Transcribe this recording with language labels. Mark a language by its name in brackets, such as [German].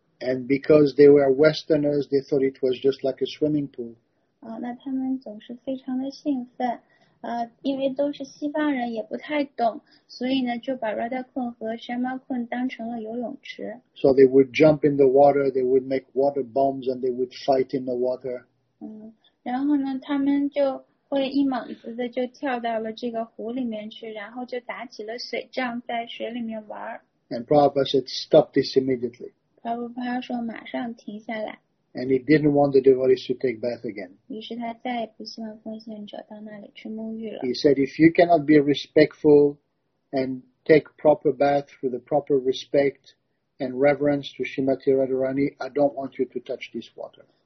[English] And because they were Westerners, they thought it was just like a swimming pool. [Chinese] 那他们总是非常的兴奋。因为都是西方人，也不太懂，所以呢，就把 Radha-kund 和 Shyama-kund 当成了游泳池。 [English] So they would jump in the water, they would make water bombs, and they would fight in the water. [Chinese] 然后呢，他们就会一猛子的就跳到了这个湖里面去，然后就打起了水仗，在水里面玩。 [English] And Prabhupada said, "Stop this immediately." [Chinese] Prabhupada 说，马上停下来。 [English] And he didn't want the devotees to take bath again. He said, if you cannot be respectful and take proper bath with the proper respect and reverence to Srimati Radharani, I don't want you to touch this water.